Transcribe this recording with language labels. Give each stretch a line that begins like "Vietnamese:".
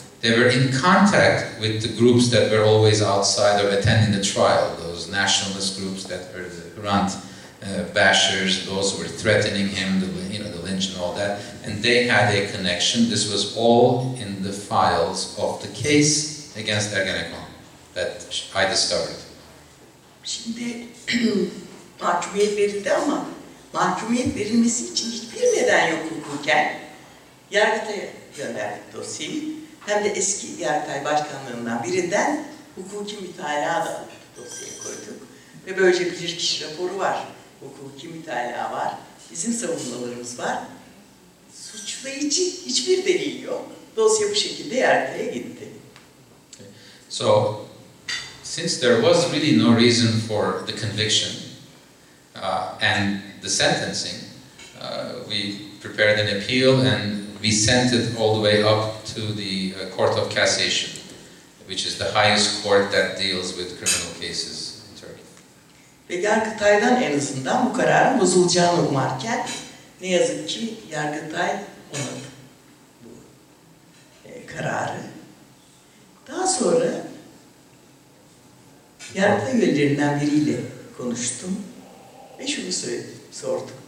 English: They were in contact with the groups that were always outside or attending the trial, those nationalist groups that were the Hrant bashers, those who were threatening him, the, you know, the lynch and all that, and they had a connection. This was all in the files of the case against Ergenekon that I discovered.
Turkish: Yargıtay'a gönderdik dosyayı, hem de eski Yargıtay Başkanlığından birinden hukuki mütalaa da dosyaya koyduk. Ve böylece bilirkişi raporu var, hukuki mütalaa var, bizim savunmalarımız var. Suçlayıcı hiçbir delil yok, dosya bu şekilde Yargıtay'a gitti.
English: So, since there was really no reason for the conviction and the sentencing, we prepared an appeal and we sent it all the way up to the Court of Cassation, which is the highest court that deals with criminal cases in Turkey.
Turkish: Ve Yargıtay'dan en azından bu kararın bozulacağını umarken, ne yazık ki Yargıtay onadı bu kararı. Daha sonra Yargıtay üyelerinden biriyle konuştum ve şunu sordum.